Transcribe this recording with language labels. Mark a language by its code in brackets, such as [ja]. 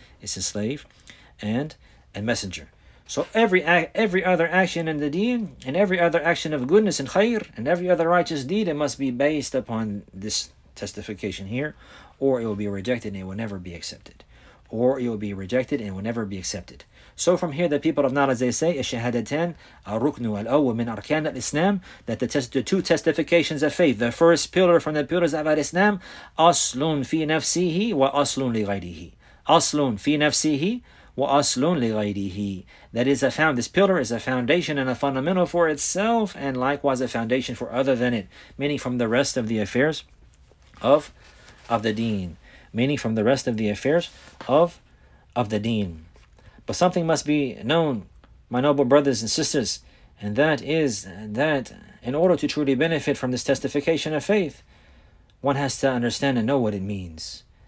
[en] It's his slave and a messenger. So every other action in the deen, and every other action of goodness and khair, and every other righteous deed, it must be based upon this testification here, or it will be rejected and it will never be accepted. Or it will be rejected and it will never be accepted. So from here, the people of knowledge, they say, [ar] الشهادتان الركن الأول من أركان الإسلام, [en] that the two testifications of faith, the first pillar from the pillars of Al-Islam, [ar] أصلون في نفسه وأصلون لغيره. أصلون في نفسه وأصلون لغيره. [en] That is a found, this pillar is a foundation and a fundamental for itself, and likewise a foundation for other than it, meaning from the rest of the affairs of the deen. Meaning from the rest of the affairs of the deen. But something must be known, my noble brothers and sisters, and that is that in order to truly benefit from this testification of faith, one has to understand and know what it means.